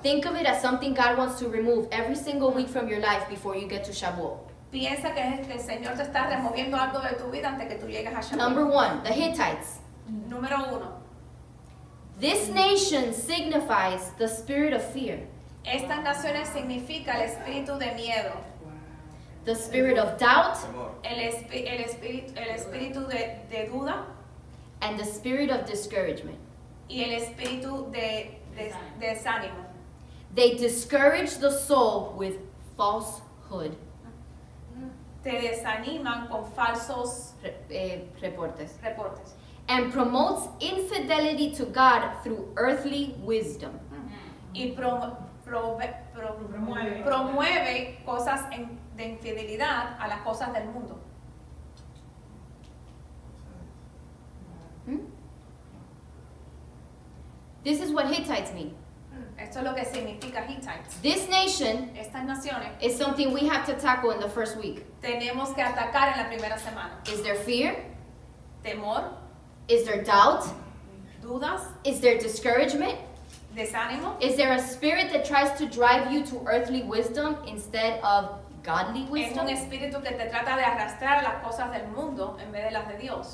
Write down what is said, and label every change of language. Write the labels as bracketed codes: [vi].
[en] Think of it as something God wants to remove every single week from your life before you get to Shavuot. [es] Piensa que el Señor te está removiendo algo de tu vida antes que tú llegues a Shavuot. [en] Number one, the Hittites. [es] Número uno. [en] This nation signifies the spirit of fear. [es] Estas naciones significa el espíritu de miedo. [en] The spirit of doubt. [es] El espíritu de duda. [en] And the spirit of discouragement. [es] Y el espíritu de desánimo. [en] They discourage the soul with falsehood. [es] Se desaniman con falsos reportes. [en] And promotes infidelity to God through earthly wisdom. [es] Mm-hmm. Y promueve cosas de infidelidad a las cosas del mundo. [en] This is what Hittites mean. [es] Esto es lo que significa Hittites. [en] This nation, [es] estas naciones, [en] is something we have to tackle in the first week. [es] Tenemos que atacar en la primera semana. [en] Is there fear? [es] Temor. [en] Is there doubt? [es] Dudas. [en] Is there discouragement? [es] Desánimo. [en] Is there a spirit that tries to drive you to earthly wisdom instead of godly wisdom. [es] Es un espíritu que te trata de arrastrar las cosas del mundo en vez de las de Dios.